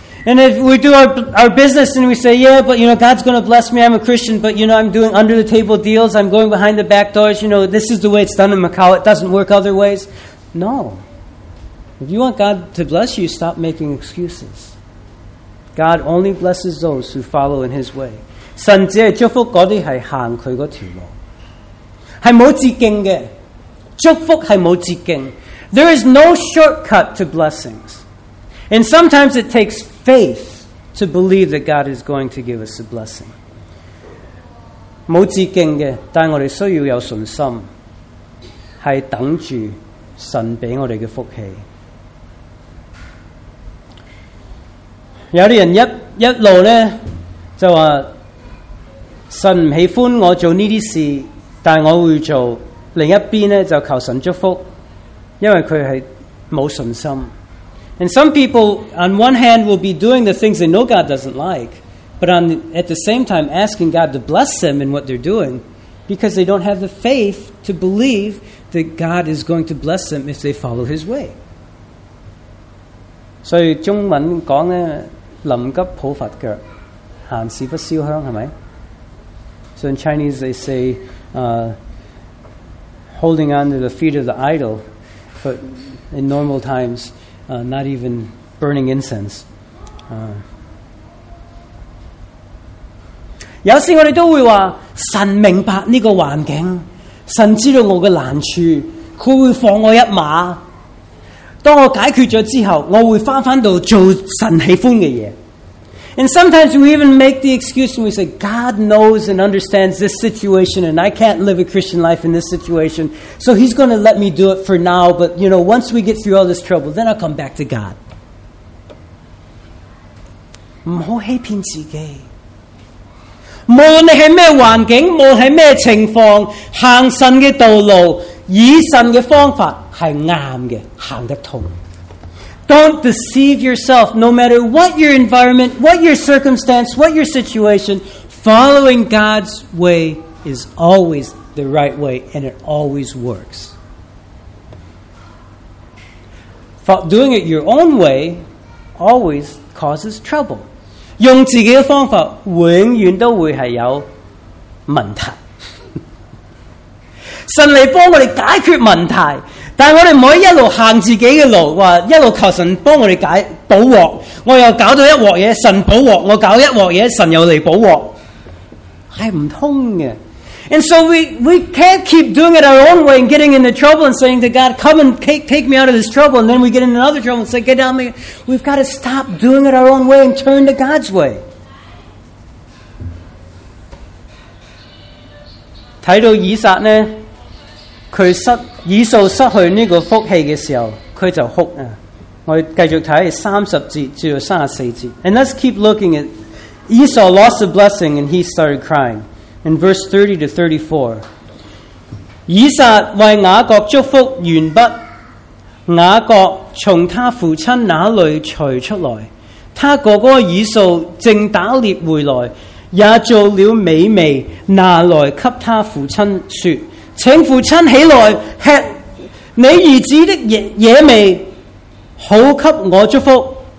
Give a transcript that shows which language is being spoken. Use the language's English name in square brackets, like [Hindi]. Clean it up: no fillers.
[English] And if we do our business and we say, yeah, but you know, God's going to bless me, I'm a Christian, but you know, I'm doing under the table deals, I'm going behind the back doors, you know, this is the way it's done in Macau, it doesn't work other ways. No. If you want God to bless you, stop making excuses. God only blesses those who follow in His way. [Chinese] 神只是祝福那些是行祂那条路，是没有捷径的，祝福是没有捷径。 [English] There is no shortcut to blessings. And sometimes it takes faith to believe that God is going to give us a blessing. [Chinese] 没有捷径的，但我们需要有信心，是等着神给我们的福气。有些人一路呢就说神不喜欢我做这些事，但我会做，另一边呢就求神祝福，因为他是没有信心。 [English] And some people on one hand will be doing the things they know God doesn't like, but at the same time asking God to bless them in what they're doing because they don't have the faith to believe that God is going to bless them if they follow His way. [Chinese] 所以中文讲呢，临急抱佛脚，行事不烧香，是吧？ [English] So in Chinese they say, holding on to the feet of the idol, but in normal times, not even burning incense. [Chinese] 有时我们都会说，神明白这个环境，神知道我的难处，他会放我一马。当我解决了之后，我会回到做神喜欢的事。 [English] And sometimes we even make the excuse and we say, God knows and understands this situation and I can't live a Christian life in this situation, so He's going to let me do it for now, but you know, once we get through all this trouble, then I'll come back to God. [Chinese] 不要欺骗自己，无论是什么环境，无论是什么情况，行神的道路，以神的方法是对的，行得通。 [English] Don't deceive yourself, no matter what your environment, what your circumstance, what your situation, following God's way is always the right way, and it always works. Doing it your own way always causes trouble. [Chinese] 用自己的方法永远都会是有问题。神来帮我们解决问题，但我们不可以一路行自己的路，说一路求神帮我们解补镬，我又搞到一镬嘢，神补镬，我搞一镬嘢，神又来补镬，是不通的。 [English] And so we can't keep doing it our own way and getting into trouble and saying to God, come and take me out of this trouble, and then we get into another trouble and say, get down me. We've got to stop doing it our own way and turn to God's way. [Chinese] 看到以撒呢，他以扫失去这个福气的时候，他就哭了。我继续看30节至34节。 [English] And let's keep looking at Esau lost the blessing and he started crying. In verse 30 to 34, [Chinese] 以撒为雅各祝福完毕，雅各从他父亲那里除出来，他哥哥以扫正打猎回来，也做了美味拿来给他父亲说，请父亲起来吃你儿子的野味，好给我祝福。